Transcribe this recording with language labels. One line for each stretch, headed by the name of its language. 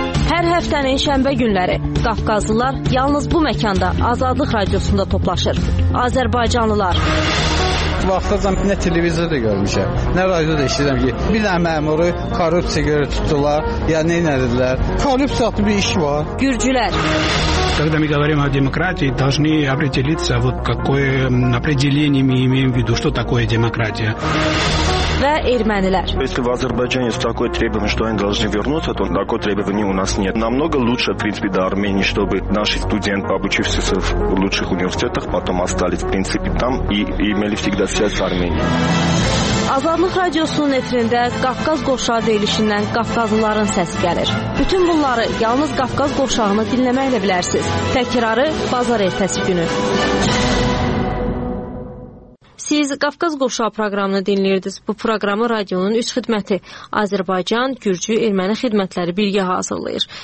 Azerbaijani: Hər həftənin şənbə günləri Qafqazlılar yalnız bu məkanda Azadlıq Radiosunda toplaşır. Azərbaycanlılar. Vaxtacan nə televizorda görmüşəm, nə radioda işləyirəm ki, bir dənə məmuru korrupsiya görə tutdular, ya nə edirlər? Korrupsiya adlı bir iş var. Gürcülər.
Russian: Когда мы говорим о демократии, должны определиться, вот какое определение мы имеем в виду, что такое демократия.
Azerbaijani: Və ermənilər.
Russian: Если в Азербайджане есть такое требование, что они должны вернуться, то такое требование у нас нет. Намного лучше, в принципе, до Армении, чтобы наши студенты, обучившиеся в лучших университетах, потом остались, в принципе, там и имели всегда связь с Арменией.
Azerbaijani: Azadlıq Radiosunun efirində Qafqaz Qovşağı deyilişindən Qafqazlıların səsi gəlir. Bütün bunları yalnız Qafqaz Qovşağını dinləməklə bilərsiniz. Təkrarı bazar ertəsi günü. Siz Qafqaz Qovşağı proqramını dinləyirdiniz. Bu proqramı radionun 3 xidməti Azərbaycan, Gürcü, Erməni xidmətləri birgə hazırlayır.